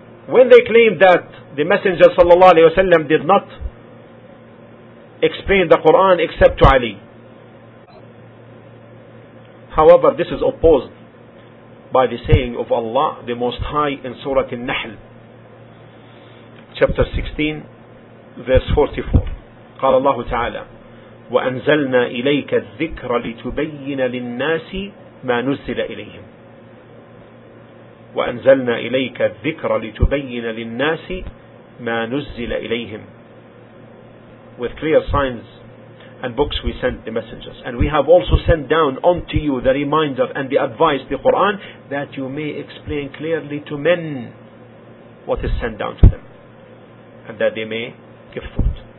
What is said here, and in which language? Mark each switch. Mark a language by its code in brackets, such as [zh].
[en] When they claimed that the Messenger sallallahu alaihi wasallam did not explain the Quran except to Ali, however, this is opposed by the saying of Allah the Most High in Surah An-Nahl, chapter 16, verse 44. [ar] قال الله تعالى وأنزلنا إليك الذكر لتبين للناس ما نزل إليهم. وأنزلنا إليك الذكر لتبين للناس ما نزل إليهم. [en] With clear signs and books we sent the messengers, and we have also sent down unto you the reminder and the advice, the Quran, that you may explain clearly to men what is sent down to them, and that they may give thought.